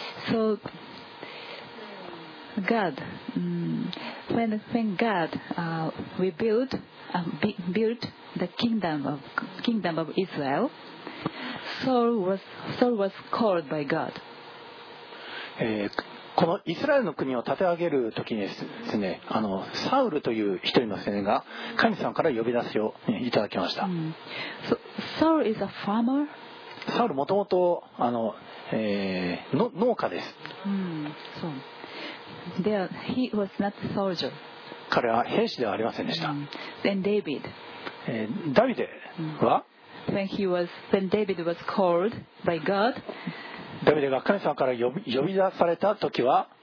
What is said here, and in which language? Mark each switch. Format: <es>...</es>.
<en>So, God, when God rebuild, built the kingdom of Israel, Saul was called by God.</en> <ja>このイスラエルの国を立て上げるときにですね、サウルという一人の青年が神様から呼び出すよういただきました。</ja> <en>Saul is a farmer.</en> <ja>サウルもともと農家です。</ja> <en>So, there he was not a soldier.</en> <ja>彼は兵士ではありませんでした。</ja> <en>Then David.</en> <ja>ダビデは</ja> <en>when David was called by God.</en> <ja>ダビデが神様から呼び出されたときは、</ja>